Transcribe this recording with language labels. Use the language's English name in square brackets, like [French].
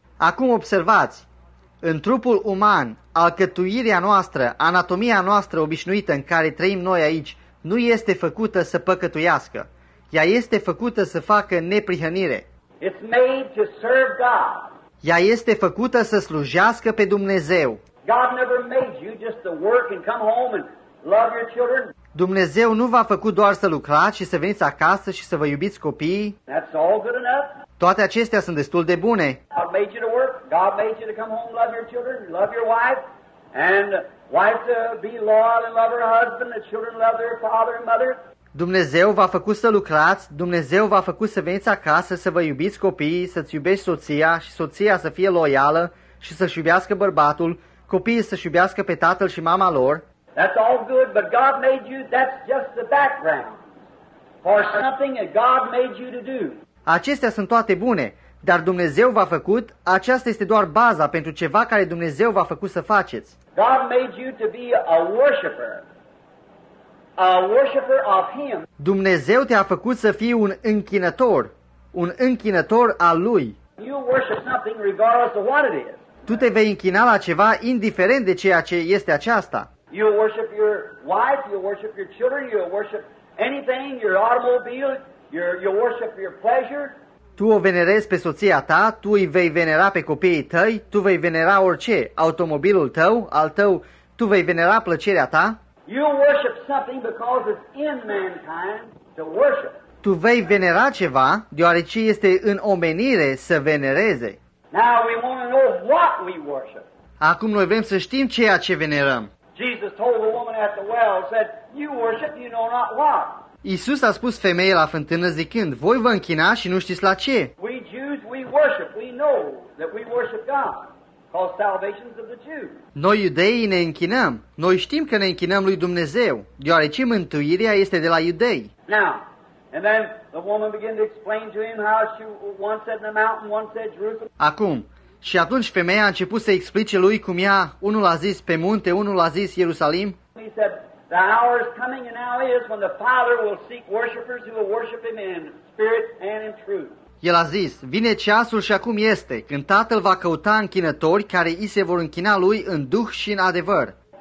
[Romanian] Acum observați, în trupul uman, alcătuirea noastră, anatomia noastră obișnuită în care trăim noi aici, nu este făcută să păcătuiască. Ea este făcută să facă neprihănire. [English] It's made to serve God. [Romanian] Ea este făcută să slujească pe Dumnezeu. [English] God never made you just to work and come home and love your children. [Romanian] Dumnezeu nu v-a făcut doar să lucrați și să veniți acasă și să vă iubiți copiii. [English] That's all good enough. [Romanian] Toate acestea sunt destul de bune. [English] God made you to work. God made you to come home, love your children, love your wife, and wife to be loyal and love her husband, the children love their father and mother. [Romanian] Dumnezeu v-a făcut să lucrați, Dumnezeu v-a făcut să veniți acasă, să vă iubiți copiii, să-ți iubești soția și soția să fie loială și să-și iubească bărbatul, copiii să-și iubească pe tatăl și mama lor. [English] That's all good, but God made you, that's just the background for something that God made you to do. [Romanian] Acestea sunt toate bune, dar Dumnezeu v-a făcut, aceasta este doar baza pentru ceva care Dumnezeu v-a făcut să faceți. [English] God made you to be a worshiper. A worshiper of him. [Romanian] Dumnezeu te-a făcut să fii un închinător, un închinător al lui. [English] You worship something regardless of what it is. [Romanian] Tu te vei închina la ceva indiferent de ceea ce este aceasta. [English] You worship your wife, you worship your children, you worship anything, your automobile, you worship your pleasure. [Romanian] Tu o venerezi pe soția ta, tu îi vei venera pe copiii tăi, tu vei venera orice, automobilul tău, al tău, tu vei venera plăcerea ta. [English] You worship something because it's in mankind to worship. [Romanian] Tu vei venera ceva deoarece este în omenire să venereze. [English] Now we want to know what we worship. [Romanian] Acum noi vrem să știm ceea ce venerăm. [English] Jesus told the woman at the well, said, "You worship, you know not what." [Romanian] Iisus a spus femeii la fântână zicând, voi vă închinați și nu știți la ce. [English] We Jews, we worship. We know that we worship God. Called salvations of the Jews. [Romanian] Noi iudeii ne închinăm. Noi știm că ne închinăm lui Dumnezeu, deoarece mântuirea este de la iudei. [English] Now, and then the woman began to explain to him how she once said in the mountain, once said Jerusalem. [Romanian] Acum, și atunci femeia a început să explice lui cum ea, unul a zis pe munte, unul a zis Ierusalim. [English] He said, the hour is coming and now is when the Father will seek worshippers who will worship him in spirit and in truth. [Romanian] El a zis, vine ceasul și acum este, când Tatăl va căuta închinători care îi se vor închina lui în duh și în adevăr.